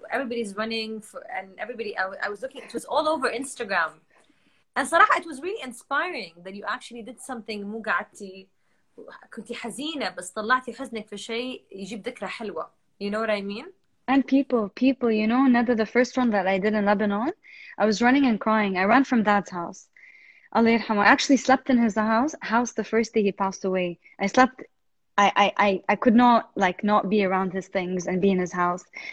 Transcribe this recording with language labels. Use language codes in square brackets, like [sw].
[en] Everybody's running for, and everybody, I was looking, it was all over Instagram. And صراحة, it was really inspiring that you actually did something. [ar] مو قعدتي, كنتي حزينة, بس طلعتي حزنك في شيء يجيب ذكرى حلوة. [en] You know what I mean? And people, you know, Nada, the first run that I did in Lebanon, I was running and crying. I ran from Dad's house. [ar] Allah yirhamah. [en] I actually slept in his house the first day he passed away. I slept. I could not like not be around his things and be in his house.